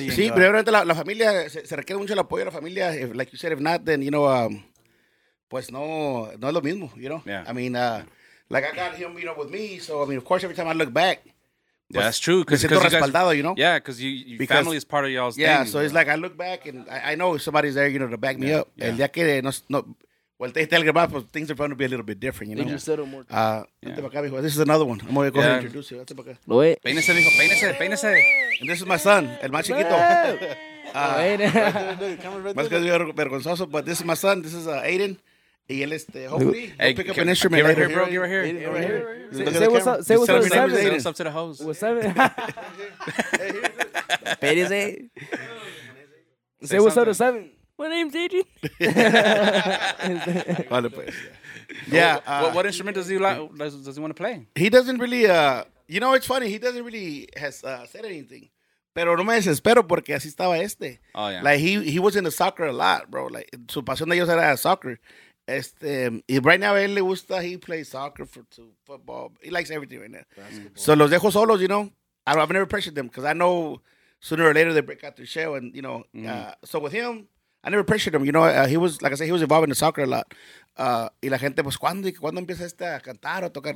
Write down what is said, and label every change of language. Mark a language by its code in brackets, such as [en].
[es] Sí, pero realmente la familia, se requiere mucho el apoyo de la familia. [en] If, like you said, if not, then, you know, [es] pues no es lo mismo, [en] you know? Yeah. I mean, like I got him, you know, with me. So, I mean, of course, every time I look back. Yeah, that's true. Because family is part of y'all's yeah, thing. Yeah, so it's like I look back and I know somebody's there, you know, to back me up. Yeah. [es] El día que no [en] well, they tell you about things are going to be a little bit different, you know? They just said it more. This is another one. I'm going to go ahead and introduce you. [es] Lo es. Peínese, hijo. Peínese. [en] And this is my son, [es] el más chiquito. Más que yo vergonzoso, [en] but this is my son. This is Aiden. [es] Y él, [en] hopefully, pick up an instrument right later. Here, bro. You're right here. Say what's up. Say what's up to the host. What's up? [es] Peínese. [en] Say what's up to Seven. My name's Aiden. [es] Vale, pues. Yeah. [en] What instrument does he like? Does he want to play? He doesn't really. You know, it's funny. He doesn't really has said anything. [es] Pero no me desespero porque así estaba este. [en] Oh yeah. Like he was into soccer a lot, bro. Like [es] su pasión de ellos era [en] soccer. [es] Este, y [en] right now [es] él le gusta. [en] He plays soccer football. He likes everything right now. Basketball. [es] So los dejo solos, you know. [en] I've never pressured them because I know sooner or later they break out their shell and you know. Mm-hmm. So with him. I never pressured him, you know, he was, like I said, he was involved in the soccer a lot. [es] Y la gente, pues, ¿cuándo empieza este a cantar o tocar?